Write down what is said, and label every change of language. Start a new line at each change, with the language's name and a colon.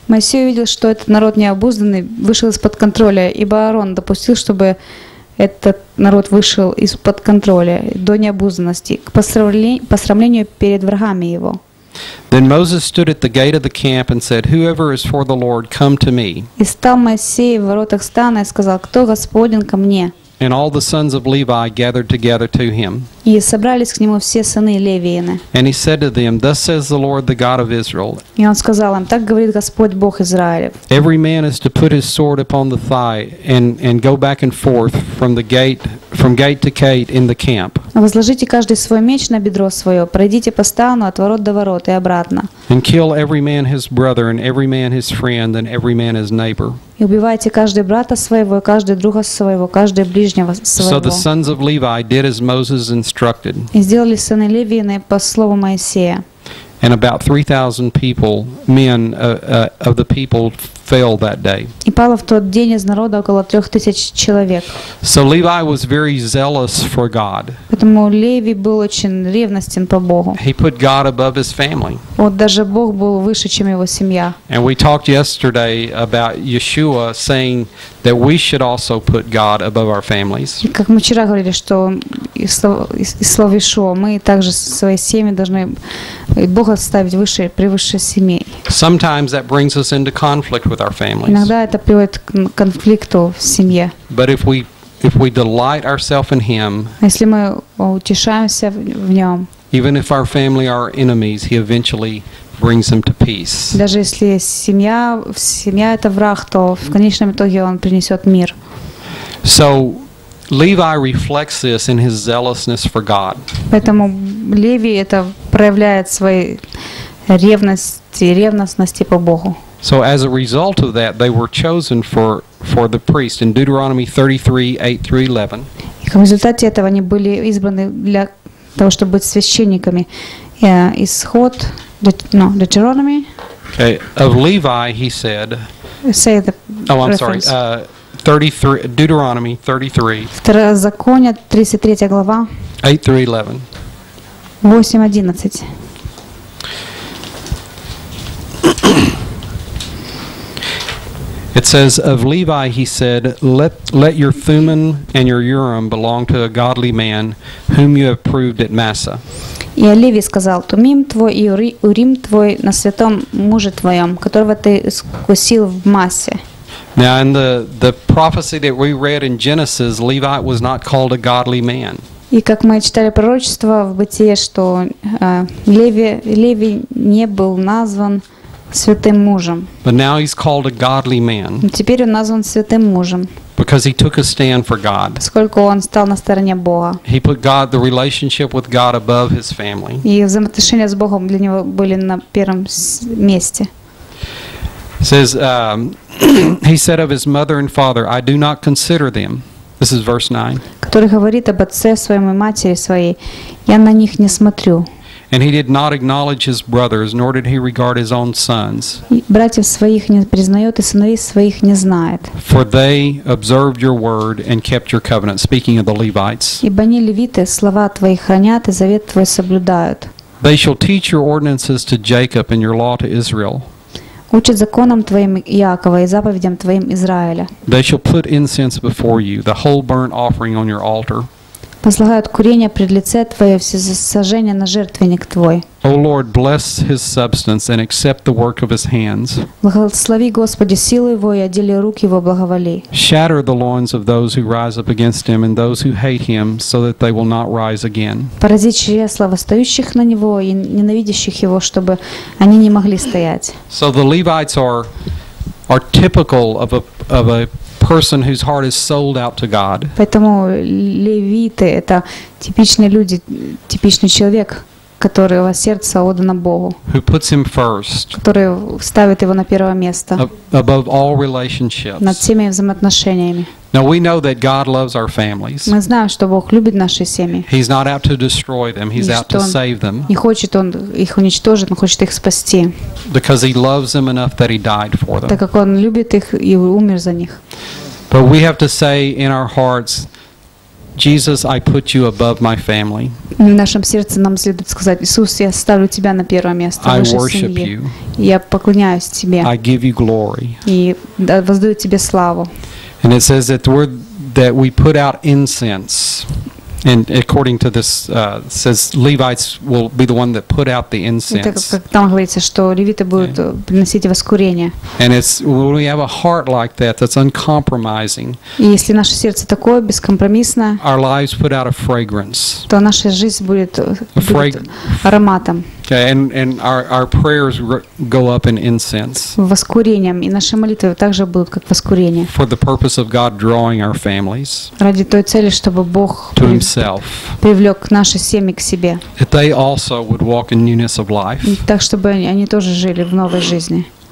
Russian: Моисей увидел, что этот народ необузданный вышел из-под контроля, ибо Аарон допустил, чтобы этот народ вышел из-под контроля до необузданности, к посрамлению перед врагами его.
English: Then Moses stood at the gate of the camp and said, "Whoever is for the Lord, come to me."
Russian: И стал Моисей в воротах стана и сказал, кто Господен ко мне.
English: And all the sons of Levi gathered together to him.
Russian: И собрались к нему все сыны Левиины.
English: And he said to them, "Thus says the Lord, the God of Israel."
Russian: И он сказал им, так говорит Господь Бог Израилев.
English: Every man is to put his sword upon the thigh and go back and forth from gate to gate in the camp.
Russian: Возложите каждый свой меч на бедро свое, пройдите по стану от ворот до ворот и обратно.
English: And kill every man his brother and every man his friend and every man his neighbor.
Russian: И убивайте каждый брата своего, каждый друга своего, каждый ближнего своего.
English: So the sons of Levi did as Moses instructed.
Russian: И сделали сыны Левиины по слову Моисея.
English: And about 3,000 people, men of the people, fell that day.
Russian: И пало в тот день из народа около 3,000 человек.
English: So Levi was very zealous for God.
Russian: Поэтому Леви был очень ревностен по Богу.
English: He put God above his family.
Russian: Вот даже Бог был выше, чем его семья.
English: And we talked yesterday about Yeshua saying that we should also put God above our families.
Russian: И как мы вчера говорили, что из слова Ишуа мы также своей семьи должны Бога ставить выше, превыше семьи.
English: Sometimes that brings us into conflict.
Russian: Иногда это приводит к конфликту в семье.
English: But if we delight ourselves in Him,
Russian: если мы утешаемся в Нем,
English: even if our family are enemies, He eventually brings them to peace.
Russian: Даже если семья это враг, то в конечном итоге он принесет мир.
English: So Levi reflects this in his zealousness for God.
Russian: Поэтому Леви это проявляет свои ревностности по Богу.
English: So as a result of that, they were chosen for the priest in Deuteronomy 33:8-11.
Russian: И в результате этого они были избраны для того, чтобы быть священниками. Исход, Deuteronomy.
English: Okay, of Levi, he said. Say the. Oh, I'm sorry. 33, Deuteronomy 33.
Russian: Второзаконие, 33 глава.
English: 8 through 11. 8:11. It says, of Levi, he said, let your Thummim and your Urim belong to a godly man whom you have proved at Massa.
Russian: И о Леви сказал, Тумим твой и Урим твой на святом муже твоем, которого ты искусил в Массе.
English: Now in the prophecy that we read in Genesis, Levi was not called a godly man.
Russian: И как мы читали пророчество в Бытие, что Леви не был назван святым мужем.
English: But now he's called a godly man.
Russian: Теперь он назван святым мужем.
English: Because he took a stand for God.
Russian: Поскольку он стал на стороне Бога.
English: He put God, the relationship with God, above his family.
Russian: И взаимоотношения с Богом для него были на первом месте.
English: Says he said of his mother and father, I do not consider them. This is verse 9.
Russian: Который говорит об отце своем и матери своей, я на них не смотрю.
English: And he did not acknowledge his brothers, nor did he regard his own sons.
Russian: Братьев своих не признает и сыновей своих не знает.
English: For they observed your word and kept your covenant. Speaking of the Levites.
Russian: Ибо они левиты, слова твои хранят и завет твой соблюдают.
English: They shall teach your ordinances to Jacob and your law to Israel.
Russian: Учат законом твоим Иакова и заповедям твоим Израиля.
English: They shall put incense before you, the whole burnt offering on your altar.
Russian: Возлагают курение пред лице твое, все сожжения на жертвенник твой.
English: O Lord, bless his substance and accept the work of his hands.
Russian: Благослови, Господи, силу его и одели руки его, благоволи.
English: Shatter the loins of those who rise up against him and those who hate him, so that they will not rise again.
Russian: Порази чресла восстающих на него и ненавидящих его, чтобы они не могли стоять.
English: So the Levites are typical of a person whose heart is sold out to God.
Russian: Поэтому левиты это типичные люди, типичный человек, который во сердце отдано Богу.
English: Who puts him first?
Russian: Который ставит его на первое место.
English: Above all relationships.
Russian: Над всеми взаимоотношениями.
English: Now we know that God loves our families.
Russian: Мы знаем, что Бог любит наши семьи.
English: He's not out to destroy them. He's out to save them.
Russian: Не хочет он их уничтожить, но хочет их спасти.
English: Because he loves them enough that he died for them.
Russian: Так как он любит их и умер за них.
English: But we have to say in our hearts, Jesus, I put you above my family.
Russian: В нашем сердце нам следует сказать: Иисус, я ставлю тебя на первое место в нашей семье. Я поклоняюсь тебе.
English: I give you glory.
Russian: И воздаю тебе славу.
English: And it says that the word that we put out incense, and according to this, says Levites will be the one that put out the incense.
Russian: Как там говорится, что левиты будут приносить воскурение.
English: And it's when we have a heart like that, that's uncompromising.
Russian: И если наше сердце такое бескомпромиссное.
English: Our lives put out a fragrance.
Russian: То наша жизнь будет ароматом.
English: Okay, and our prayers go up in incense.
Russian: Воскурением и наши молитвы также будут как воскурение.
English: For the purpose of God drawing our families.
Russian: Ради той цели, чтобы Бог привлек наши семьи к себе.
English: That they also would walk in newness of life.
Russian: Так чтобы они тоже жили в новой жизни.